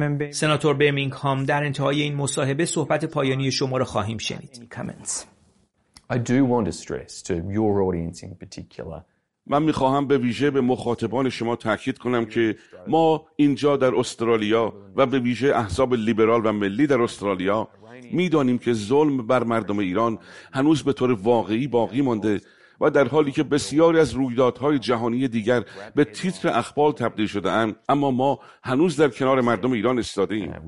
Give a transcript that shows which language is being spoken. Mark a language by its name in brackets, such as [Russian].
[Persian] سناتور برمینگام، در انتهای این مصاحبه صحبت پایانی شما را خواهیم شنید. [English] I do want to stress to your audience in particular. [Persian] من می‌خواهم به ویژه به مخاطبان شما تأکید کنم که ما اینجا در استرالیا و به ویژه احزاب لیبرال و ملی در استرالیا می‌دانیم که ظلم بر مردم ایران هنوز به طور واقعی باقی مانده و در حالی که بسیاری از رویدادهای جهانی دیگر به تیتر اخبار تبدیل شده‌اند، اما ما هنوز در کنار مردم ایران ایستاده‌ایم.